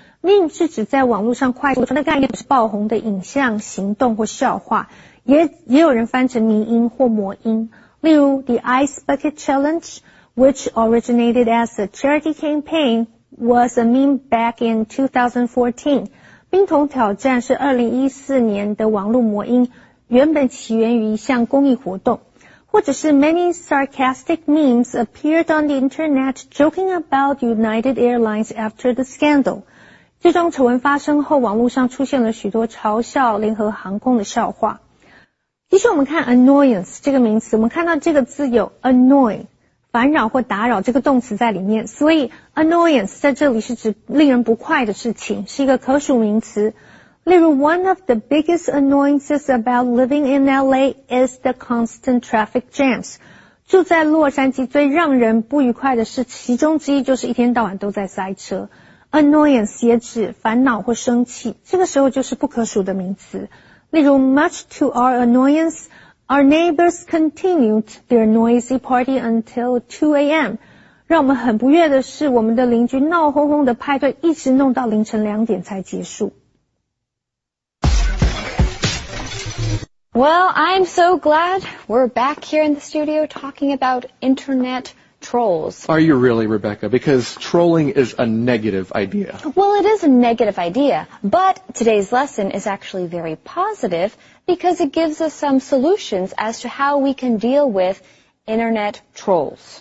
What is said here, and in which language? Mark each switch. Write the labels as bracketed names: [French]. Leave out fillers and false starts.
[Chinese] Meme 是指在网络上快速传的概念，是爆红的影像、行动或笑话，也有人翻成迷因或魔因。例如 [English] ,The Ice Bucket Challenge, which originated as a charity campaign, was a meme back in 2014. [Chinese] 冰桶挑战是2014年的网络魔因，原本起源于一项公益活动。或者是 [English] many sarcastic memes appeared on the internet joking about United Airlines after the scandal. [Chinese] 这桩丑闻发生后，网络上出现了许多嘲笑联合航空的笑话。其实我们看 annoyance 这个名词，我们看到这个字有 annoy, 烦扰或打扰这个动词在里面，所以 annoyance 在这里是指令人不快的事情，是一个可数名词。例如 [English] one of the biggest annoyances about living in LA is the constant traffic jams. [Chinese] 住在洛杉矶最让人不愉快的是其中之一就是一天到晚都在塞车。 Annoyance 也指烦恼或生气，这个时候就是不可数的名词。例如 [English] much to our annoyance, our neighbors continued their noisy party until 2 a.m. [Chinese] 让我们很不悦的是我们的邻居闹哄哄的派对一直弄到凌晨两点才结束。 [English] Well, I'm so glad we're back here in the studio talking about internet trolls. Are you really, Rebecca? Because trolling is a negative idea. Well, it is a negative idea, but today's lesson is actually very positive because it gives us some solutions as to how we can deal with internet trolls.